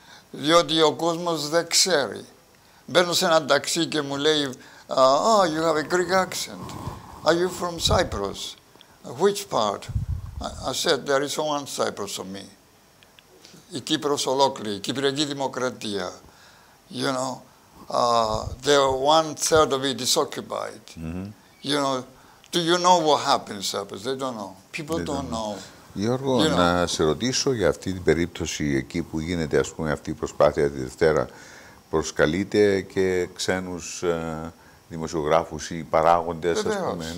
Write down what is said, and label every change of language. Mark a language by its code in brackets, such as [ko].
[el] Διότι ο κόσμος δεν ξέρει. Μπαίνω σε ένα ταξί και μου λέει [en] «Oh, you have a Greek accent. [el] Are you from Cyprus? Which part?» [en] I said «There is one Cyprus for me». [el] Η Κύπρος ολόκληρη, η Κυπριακή Δημοκρατία. [en] You know, the one third of it is occupied. Mm-hmm. You know, do you know what happens? They don't know. People don't know. [el] Γιώργο, να σε ρωτήσω για αυτή την περίπτωση εκεί που γίνεται, ας πούμε, αυτή η προσπάθεια τη Δευτέρα. Προσκαλείτε και ξένους δημοσιογράφους ή παράγοντες, ας πούμε.